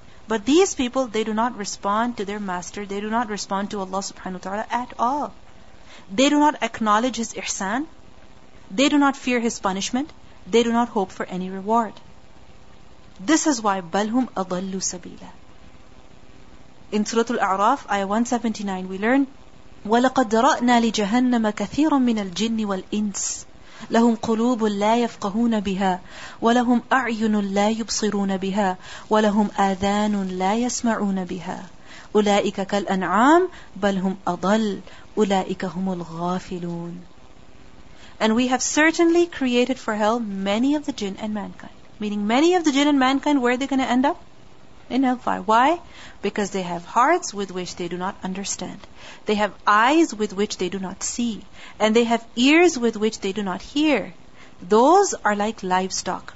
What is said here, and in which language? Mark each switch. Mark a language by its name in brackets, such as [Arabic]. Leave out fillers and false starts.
[English] But these people, they do not respond to their master. They do not respond to Allah subhanahu wa ta'ala at all. They do not acknowledge His ihsan. They do not fear His punishment. They do not hope for any reward. This is why, [Arabic] بَلْهُمْ أَضَلُّ سَبِيلًا. [English] In Suratul A'raf, Ayah 179, we learn, [Arabic] وَلَقَدْ ذَرَأْنَا لِجَهَنَّمَ كَثِيرًا مِنَ الْجِنِّ وَالْإِنسِ لَهُمْ قُلُوبٌ لَا يَفْقَهُونَ بِهَا وَلَهُمْ أَعْيُنٌ لَا يُبْصِرُونَ بِهَا وَلَهُمْ آذَانٌ لَا يَسْمَعُونَ بِهَا أُولَئِكَ كَالْأَنْعَامِ بَلْ هُمْ أَضَلُّ أُولَئِكَ هُمُ الْغَافِلُونَ. [English] And we have certainly created for hell many of the jinn and mankind. Meaning many of the jinn and mankind, where are they going to end up? In hellfire. Why? Because they have hearts with which they do not understand. They have eyes with which they do not see. And they have ears with which they do not hear. Those are like livestock.